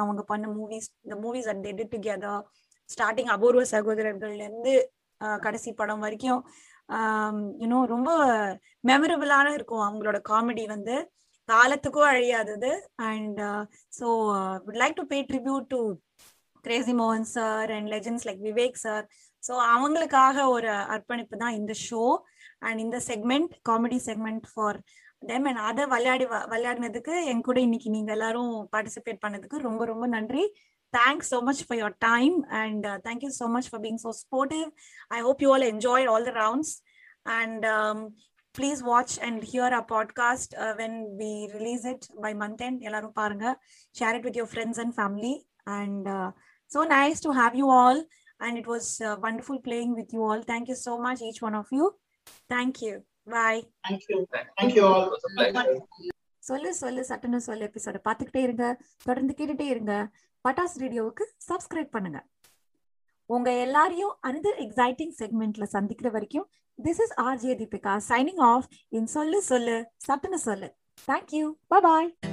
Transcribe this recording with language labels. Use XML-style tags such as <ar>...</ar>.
<ta>அவங்க பண்ண மூவிஸ் இந்த movies at edit together starting அபூர்வ சகோதரர்கள் இருந்து கடைசி படம் வரைக்கும் யூனோ ரொம்ப மெமரபிளான இருக்கும் அவங்களோட காமெடி வந்து காலத்துக்கும் அழியாதது.</ta> <en>and so would like to pay tribute</en> <ta>Crazy மோகன் sir and legends like Vivek sir. So அவங்களுக்காக ஒரு அர்ப்பணிப்பு தான் இந்த ஷோ அண்ட் இந்த segment, comedy segment for them. And அதை விளையாடினதுக்கு என் கூட இன்னைக்கு நீங்க எல்லாரும் பார்ட்டிசிபேட் பண்ணதுக்கு ரொம்ப ரொம்ப நன்றி.</ta> <en>Thanks so much for your time and thank you so much for being so supportive. I hope you all enjoyed all the rounds and please watch and hear our podcast when we release it by month end.</en> <ta>Ellaru paarenga,</ta> <en>share it with your friends and family and so nice to have you all and it was wonderful playing with you all. Thank you so much each one of you. Thank you. Bye. Thank you. Thank you all. It was a pleasure.</en> <ta>சொல்லு சொல்லு சட்டுன்னு சொல்லு எபிசோட பார்த்துக்கிட்டே இருங்க, தொடர்ந்து கேட்டுட்டே இருங்க, பட்டாஸ் ரேடியோவுக்கு சப்ஸ்கிரைப் பண்ணுங்க. உங்க எல்லாரையும் அனதர் எக்ஸைட்டிங் செக்மெண்ட்ல சந்திக்கிற வரைக்கும்</ta> <en>this is RJ Deepika signing off</en> <ta>in சொல்லு சொல்லு சட்டுன்னு சொல்லு. தேங்க்யூ, பாய் பாய்.</ta>